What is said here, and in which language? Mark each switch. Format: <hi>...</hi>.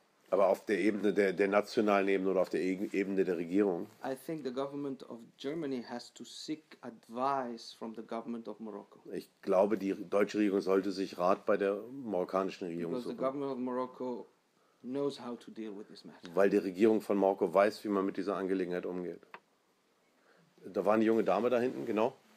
<de>Aber auf der Ebene der nationalen Ebene oder auf der Ebene der Regierung.</de> <en>I think the government of Germany has to seek advice from the government of Morocco.</en> <de>Ich glaube, die deutsche Regierung sollte sich Rat bei der marokkanischen Regierung suchen.</de> <en>Because the government of Morocco knows how to deal with this matter.</en> <de>Weil die Regierung von Marokko weiß, wie man mit dieser Angelegenheit umgeht. Da war eine junge Dame da hinten, genau.</de>